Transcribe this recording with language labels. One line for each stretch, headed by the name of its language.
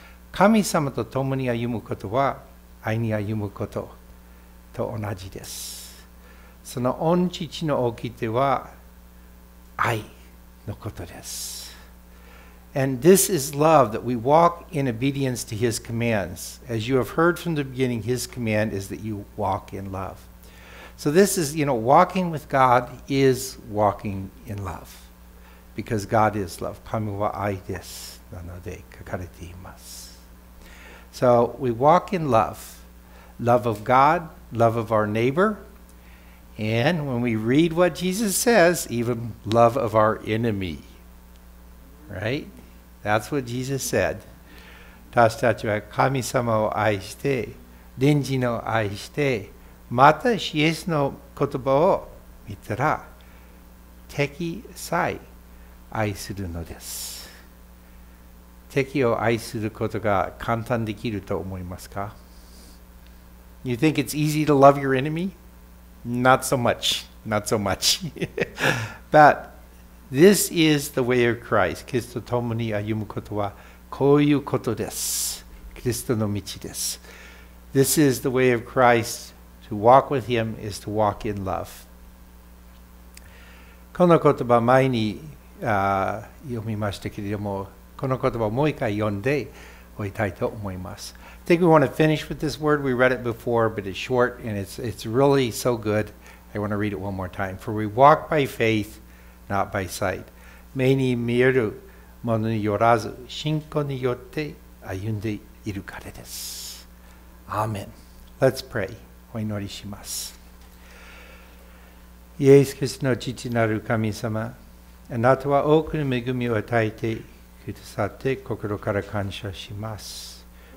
Japanese: 神様と共に歩むことは愛に歩むことと同じです。その御父の掟は愛のことです。
English: And this is love, that we walk in obedience to His commands. As you have heard from the beginning, His command is that you walk in love. So this is, you know, walking with God is walking in love. Because God is love.
Japanese: 神は愛です。なので、書かれています。
English: So we walk in love. Love of God, love of our neighbor. And when we read what Jesus says, even love of our enemy. Right? That's what Jesus said.
Japanese: 私たちは神様を愛して、隣人を愛して、またイエスの言葉を見たら、敵さえ愛するのです。敵を愛することが簡単できると思いますか?
English: You think it's easy to love your enemy? Not so much. Not so much. But,This is the way of Christ.
Japanese: キリストと共に歩むことはこういうことです。キリストの道です。
English: This is the way of Christ. To walk with him is to walk in love.
Japanese: この言葉前に読みましたけれども、この言葉をもう一回読んでおいたいと思います。
English: I think we want to finish with this word. We read it before, but it's short and it's really so good. I want to read it one more time. For we walk by faith. Not by sight.
Japanese: 目に見えるものによらず、信仰によって歩んでいるからです。アーメン。
English: Let's pray.
Japanese: お祈りします。イエス・キリストの父なる神様、あなたは多くの恵みを与えてくださって心から感謝します。